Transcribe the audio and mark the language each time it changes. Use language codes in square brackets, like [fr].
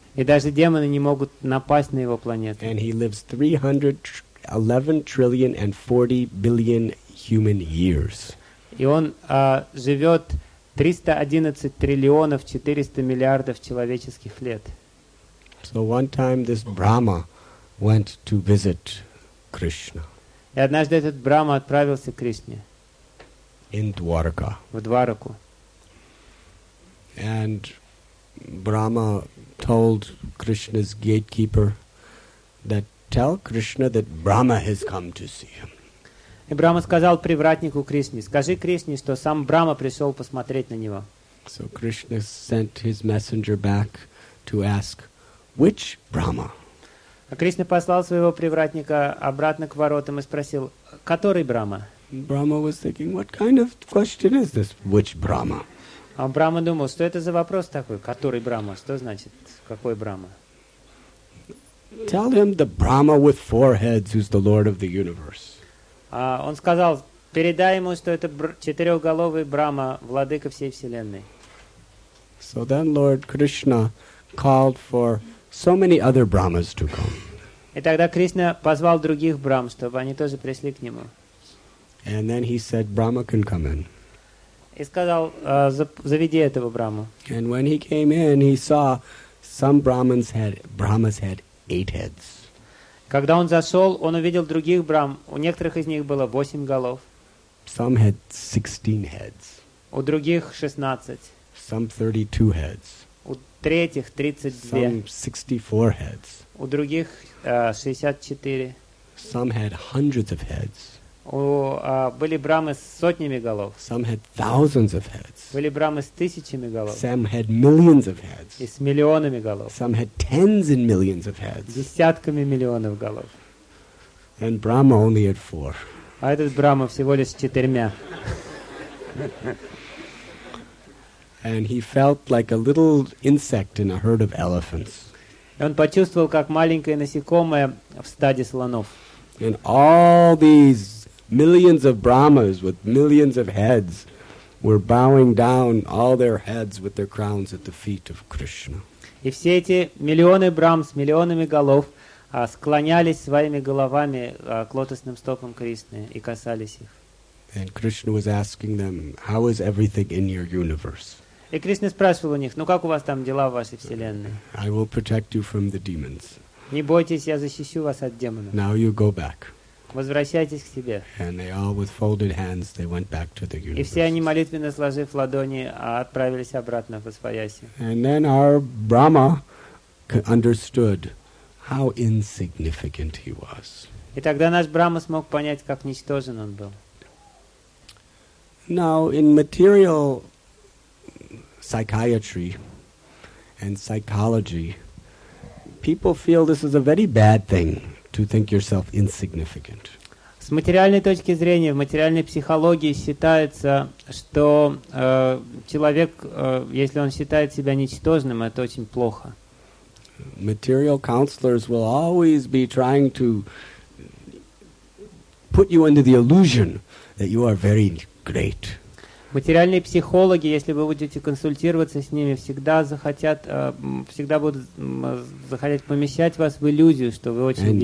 [ru] И даже демоны не могут напасть на его планету. [en] And he lives 311 trillion and 40 billion human years. [ru] И он живет 311 триллионов 400 миллиардов человеческих лет. [en] So one time this Brahma went to visit Krishna. [ru] И однажды этот Брама отправился к Кришне. [en] In Dwarka. [ru] В Двараку. [en] And Brahma told Krishna's gatekeeper that tell Krishna that Brahma has come to see him. [ru] И Брама сказал привратнику Кришне, скажи Кришне, что сам Брама пришел посмотреть на него. [en] So Krishna sent his messenger back to ask, which Brahma? [ru] А Кришна послал своего привратника обратно к воротам и спросил, который Брама? [en] Brahma was thinking, what kind of question is this, which Brahma? [ru] А Брама думал, что это за вопрос такой, который Брама, что значит, какой Брама? [en] Tell him the Brahma with four heads who's the Lord of the universe. [ru] Он сказал, передай ему, что это четырехголовый Брама, владыка всей Вселенной. [en] So then Lord Krishna called for so many other Brahmas to come. [ru] И тогда Кришна позвал других Брам, чтобы они тоже пришли к нему. [en] And then he said, Brahma can come in. [ru] И сказал, заведи этого Браму. [en] And when he came in, he saw some Brahmas had eight heads. [ru] Когда он зашел, он увидел других брам. У некоторых из них было 8 голов. [en] Some had 16 heads. [ru] У других 16. [en] Some 32 heads. [ru] У третьих 32. [en] Some 64 heads. [ru] У других 64. [en] Some had hundreds of heads. [ru] Были брамы с сотнями голов. [en] Some had thousands of heads. [ru] Были брамы с тысячами голов. [en] Some had millions of heads. [ru] И с миллионами голов. [en] Some had tens and millions of heads. [ru] Десятками миллионов голов. [en] And Brahma only had four. [ru] А этот Брама всего лишь с четырьмя. [en] And he felt like a little insect in a herd of elephants. [ru] И он почувствовал, как маленькое насекомое в стаде слонов. [en] And all these millions of Brahmas with millions of heads were bowing down all their heads with their crowns at the feet of Krishna. [ru] И все эти миллионы Брам с миллионами голов склонялись своими головами к лотосным стопам Кришны и касались их. [en] And Krishna was asking them, how is everything in your universe? [ru] И Кришна спрашивал у них, ну как у вас там дела в вашей вселенной? [en] I will protect you from the demons. [ru] Не бойтесь, я защищу вас от демонов. [en] Now you go back. [ru] Возвращайтесь к себе. [en] And they all with folded hands, they went back to their universes. [ru] И все они, молитвенно сложив ладони, отправились обратно в Освояси. [en] And then our Brahma understood how insignificant he was. [ru] И тогда наш Брама смог понять, как ничтожен он был. [en] Now, in material psychiatry and psychology, people feel this is a very bad thing to think yourself insignificant. [ru] С материальной точки зрения, в материальной психологии считается, что человек, если он считает себя ничтожным, это очень плохо. [en] Material counselors will always be trying to put you under the illusion that you are very great. [ru] Материальные психологи, если вы будете консультироваться с ними, всегда будут захотеть помещать вас в иллюзию, что вы очень